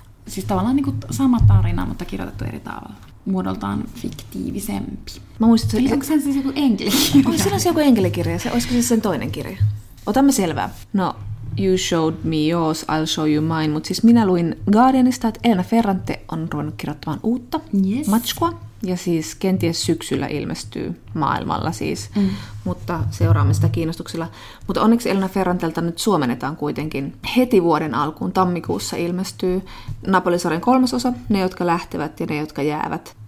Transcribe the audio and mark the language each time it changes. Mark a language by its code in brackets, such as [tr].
[fi] Siis tavallaan niin kuin sama tarina, mutta kirjoitettu eri tavalla. Muodoltaan fiktiivisempi. Mä muistin, että se on siis joku enkelikirja. On siinä joku enkelikirja, se, olisiko se sen toinen kirja? Otamme selvää. [en] No, you showed me yours, I'll show you mine. [fi] Mutta siis minä luin Guardianista, että Elena Ferrante on ruvennut kirjoittamaan uutta matskua. Ja siis kenties syksyllä ilmestyy maailmalla siis, mutta seuraamme sitä kiinnostuksella. Mutta onneksi Elena Ferrantelta nyt suomennetaan kuitenkin heti vuoden alkuun, tammikuussa ilmestyy Napoli-sarjan kolmasosa, ne jotka lähtevät ja ne jotka jäävät.